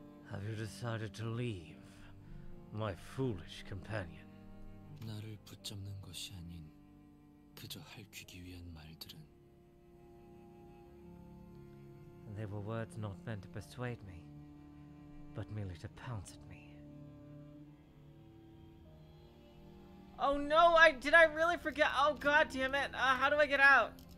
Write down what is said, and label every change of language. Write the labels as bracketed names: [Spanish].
[English] Have you decided to leave, my foolish companion? [Korean] 나를 붙잡는 것이 아닌 그저 핥히기 위한 말들은. [English] They were words not meant to persuade me, but merely to pounce at me. Oh no, did I really forget? Oh god damn it. How do I get out?